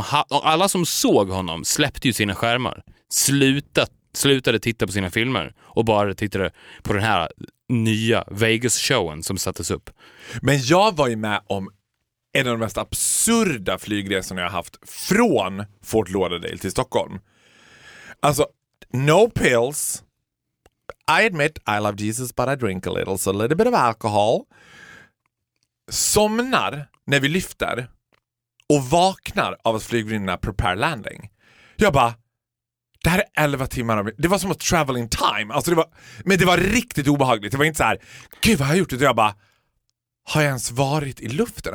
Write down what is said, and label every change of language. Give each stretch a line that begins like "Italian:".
Swedish: Alla som såg honom släppte ju sina skärmar. Slutade titta på sina filmer. Och bara tittade på den här nya Vegas-showen som sattes upp. Men jag var ju med om en av de mest absurda flygresorna jag haft från Fort Lauderdale till Stockholm. Alltså,
English: no pills... I admit, I love Jesus, but I drink a little. So a little bit of alcohol.
Swedish: Somnar när vi lyfter. Och vaknar av att flygvärdinnorna
English: prepare landing.
Swedish: Jag bara, Det här är 11 timmar. Det var som att
English: travel in time.
Swedish: Alltså det var, men det var riktigt obehagligt. Det var inte så här, gud vad har jag gjort? Och jag bara, har jag ens varit i luften?